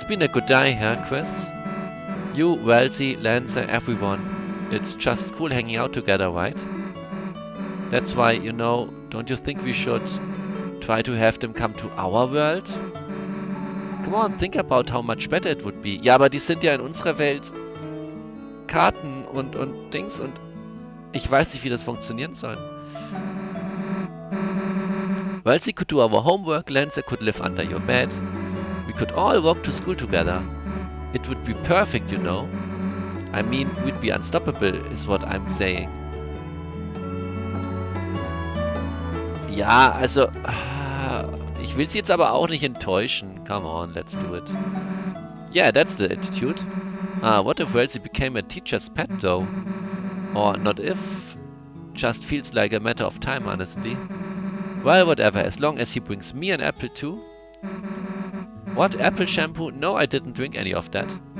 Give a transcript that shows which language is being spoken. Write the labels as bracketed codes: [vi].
[en] It's been a good day, huh, Chris? You, Wellesley, Lancer, everyone. It's just cool hanging out together, right? That's why, you know, don't you think we should try to have them come to our world? Come on, think about how much better it would be. [de] Ja, aber die sind ja in unserer Welt Karten und Dings und ich weiß nicht, wie das funktionieren soll. [en] Wellesley could do our homework, Lancer could live under your bed. could all walk to school together. It would be perfect, you know. I mean, we'd be unstoppable, is what I'm saying. [de] Ja, also, ich will sie jetzt aber auch nicht enttäuschen. [en] Come on, let's do it. Yeah, that's the attitude. Ah, what if Elsie became a teacher's pet, though? Or not if, just feels like a matter of time, honestly. Well, whatever, as long as he brings me an apple, too. What, apple shampoo? No, I didn't drink any of that.